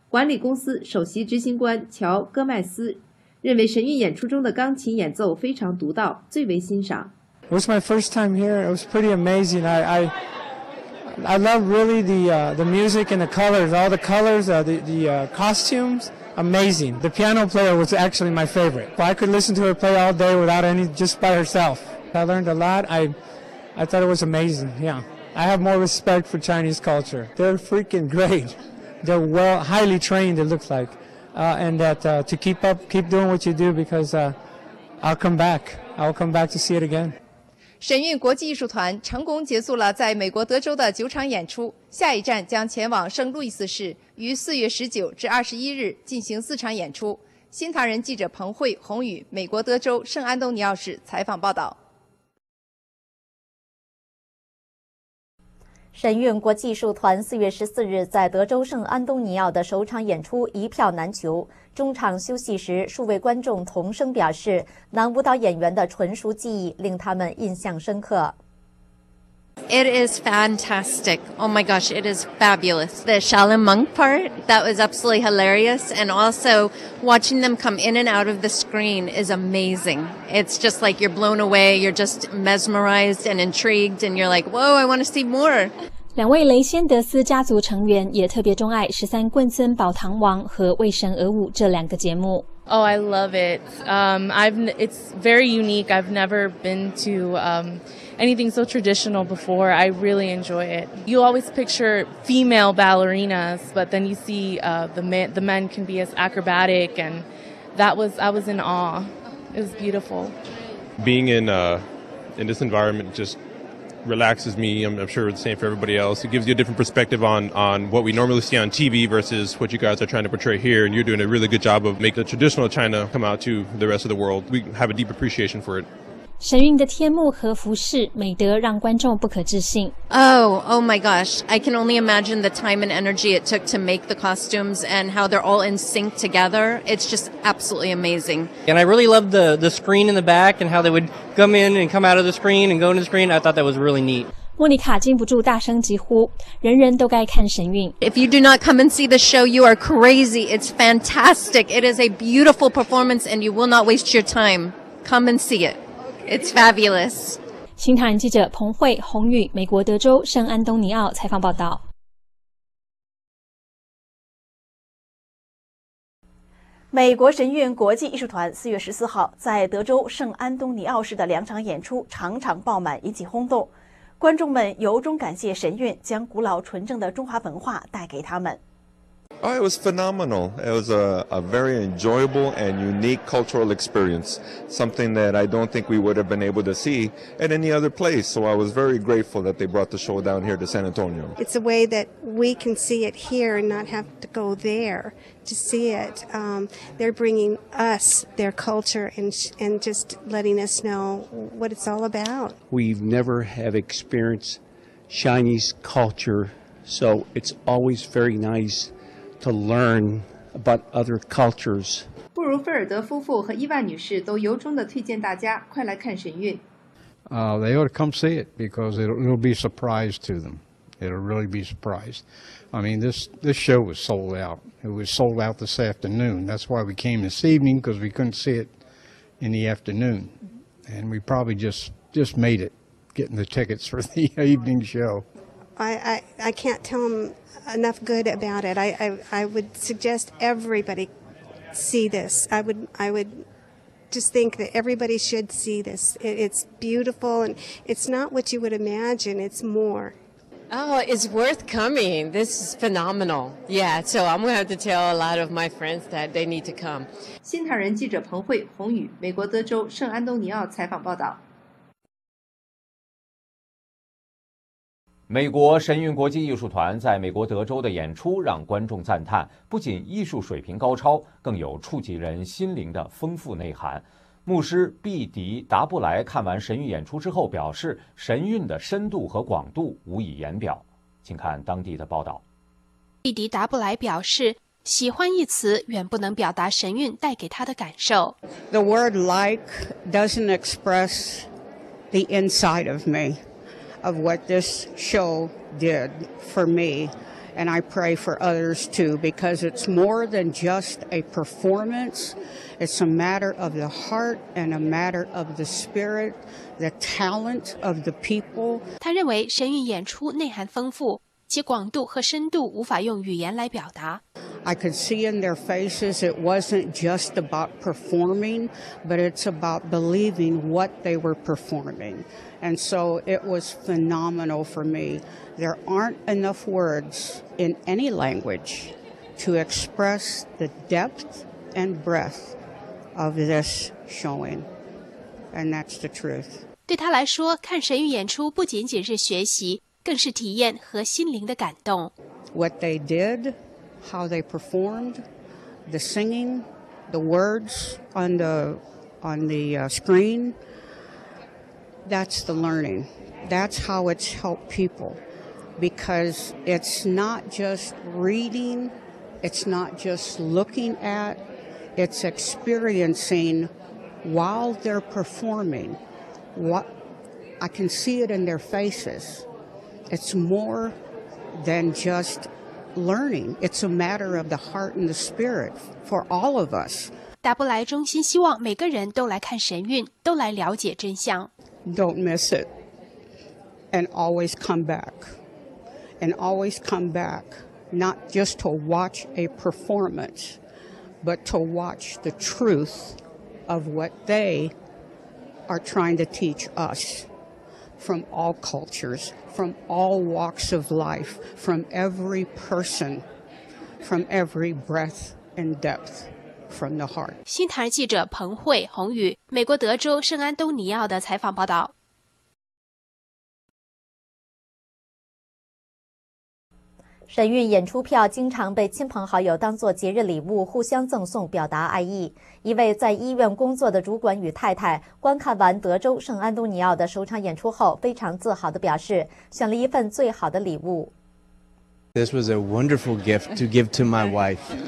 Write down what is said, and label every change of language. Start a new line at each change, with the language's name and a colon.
Chinese: 管理公司首席执行官乔·戈麦斯认为神韵演出中的钢琴演奏非常独到，最为欣赏。
English: It was my first time here. It was pretty amazing. I love really the music and the colors, all the colors, the costumes, amazing. The piano player was actually my favorite. I could listen to her play all day without any, just by herself. I learned a lot. I thought it was amazing, yeah. I have more respect for Chinese culture. They're freaking great. They're well, highly trained, it looks like. To keep doing what you do, because I'll come back to see it again.
Chinese: 神韵国际艺术团成功结束了在美国德州的九场演出，下一站将前往圣路易斯市，于4月19至21日进行四场演出。新唐人记者彭慧、宏宇，美国德州圣安东尼奥市采访报道。神韵国际艺术团4月14日在德州圣安东尼奥的首场演出一票难求，中场休息时数位观众同声表示，男舞蹈演员的纯熟技艺令他们印象深刻。
English: It is fantastic. Oh my gosh, it is fabulous. The Shaolin monk part, that was absolutely hilarious. And also watching them come in and out of the screen is amazing. It's just like you're blown away. You're just mesmerized and intrigued. And you're like, whoa, I want to see more.
Chinese: 两位雷仙德斯家族成员也特别钟爱十三棍村宝堂王和为神而舞这两个节目。
English: Oh, I love it. It's very unique. I've never been to anything so traditional before. I really enjoy it. You always picture female ballerinas, but then you see the men can be as acrobatic, and I was in awe. It was beautiful. Being in this environment just relaxes me. I'm sure it's the same for everybody else. It gives you a different perspective on what we normally see on TV versus what you guys are trying to portray here, and you're doing a really good job of making the traditional China come out to the rest of the world. We have a deep appreciation for it.
Chinese: 神韵的天幕和服饰美得让观众不可置信。
English: Oh my gosh, I can only imagine the time and energy it took to make the costumes and how they're all in sync together. It's just absolutely amazing. And I really loved the screen in the back and how they would come in and come out of the screen and go into the screen. I thought that was really neat.
Chinese: 莫妮卡禁不住大声疾呼，人人都该看神韵。
English: If you do not come and see the show, you are crazy. It's fantastic. It is a beautiful performance and you will not waste your time. Come and see it. It's fabulous.
Chinese: 新唐人记者彭慧、宏宇，美国德州圣安东尼奥采访报道。美国神韵国际艺术团4月14号在德州圣安东尼奥市的两场演出场场爆满，引起轰动。观众们由衷感谢神韵将古老纯正的中华文化带给他们。
English: Oh, it was phenomenal. It was a very enjoyable and unique cultural experience, something that I don't think we would have been able to see at any other place. So I was very grateful that they brought the show down here to San Antonio. It's a way that we can see it here and not have to go there to see it. They're bringing us their culture and just letting us know what it's all about. We've never have experienced Chinese culture, so it's always very nice. To learn about other cultures.
Chinese: 布如菲尔德夫妇和伊万女士都由衷地推荐大家快来看神韵。
English: They ought to come see it because it'll be a surprise to them. It'll really be a surprise. I mean, this show was sold out. It was sold out this afternoon. That's why we came this evening because we couldn't see it in the afternoon. And we probably just made it getting the tickets for the evening show. I can't tell them. Enough good about it. I would suggest everybody see this. I would just think that everybody should see this. It's beautiful and it's not what you would imagine. It's more. Oh, it's worth coming. This is phenomenal. Yeah, so I'm going to have to tell a lot of my friends that they need to come.
Chinese: 新唐人记者彭慧、洪宇，美国德州圣安东尼奥采访报道。美国神韵国际艺术团在美国德州的演出让观众赞叹，不仅艺术水平高超，更有触及人心灵的丰富内涵。牧师毕迪·达布莱看完神韵演出之后表示，神韵的深度和广度无以言表。请看当地的报道。毕迪·达布莱表示，喜欢一词远不能表达神韵带给他的感受。
English: The word like doesn't express the inside of meof what this show did for me, and I pray for others too, because it's more than just a performance. It's a matter of the heart and a matter of the spirit, the talent of the people.
Chinese: 他认为神韵演出内涵丰富，其广度和深度无法用语言来表达。
English: I could see in their faces it wasn't just about performing, but it's about believing what they were performing. And so it was phenomenal for me. There aren't enough words in any language to express the depth and breadth of this showing. And that's the truth.
Chinese: 对他来说，看神韵演出不仅仅是学习，更是体验和心灵的感动。
English: What they did, how they performed, the singing, the words on the screen,That's the learning. That's how it's helped people. Because it's not just reading, it's not just looking at, it's experiencing while they're performing. What I can see it in their faces. It's more than just learning. It's a matter of the heart and the spirit for all of us.
Chinese: 达布莱衷心希望每个人都来看神韵，都来了解真相。
English: Don't miss it, and always come back, and always come back, not just to watch a performance, but to watch the truth of what they are trying to teach us from all cultures, from all walks of life, from every person, from every breath and depth. From the heart.
Chinese: 新唐人记者彭慧、洪宇，美国德州圣安东尼奥的采访报道。神韵演出票经常被亲朋好友当作节日礼物互相赠送，表达爱意。一位在医院工作的主管与太太观看完德州圣安东尼奥的首场演出后，非常自豪地表示，选了一份最好的礼物。
English: This was a wonderful gift to give to my wife.